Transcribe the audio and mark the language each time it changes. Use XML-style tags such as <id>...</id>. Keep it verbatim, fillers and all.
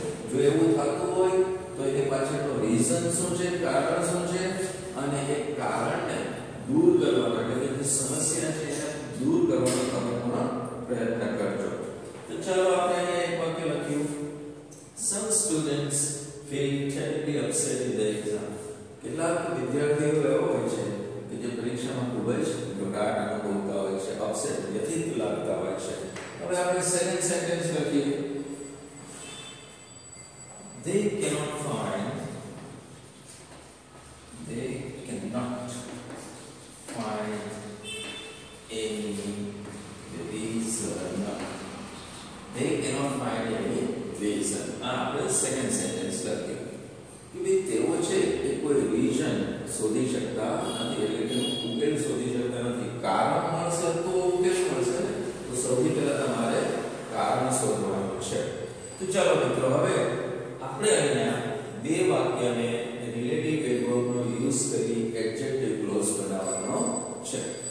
<gu>જો એવું થતું હોય તો એને પાછળનો રીઝન શું છે, કારણ શું છે, અને એ કારણને દૂર કરવા માટે, જે સમસ્યા છે એને દૂર કરવાનો તમે પણ પ્રયત્ન કરજો. તો ચાલો આપણે એક વાક્ય લખ્યું,</gu> <en>Some students feel terribly upset in the exam.</en> <gu>કેટલાક વિદ્યાર્થીઓ એવા હોય છે કે જે પરીક્ષામાં ખૂબ જ ગભરાટ અનુભવતા હોય છે, અપસેટ વ્યથિત લાગતા હોય છે. હવે આપણે સેકન્ડ સેન્ટેન્સ લખીએ,</gu> <en>They cannot find they cannot find any reason. They cannot find any reason.</en> <gu>આ આપણે સેકન્ડ સેન્ટેન્સ લખીએ કે ભાઈ તેઓ છે એ કોઈ રીઝન શોધી શકતા નથી, એટલે કે ઉકેલ શોધી શકતા નથી. કારણ મળશે તો ઉકેલ મળશે ને, તો સૌથી પહેલાં તમારે કારણ શોધવાનું છે. તો ચાલો મિત્રો, હવે આપણે અહીંયા બે વાક્યને રિલેટિવ વેડવર્બનો યુઝ કરી એડજેક્ટિવ ક્લોઝ બનાવવાનો છે.</gu>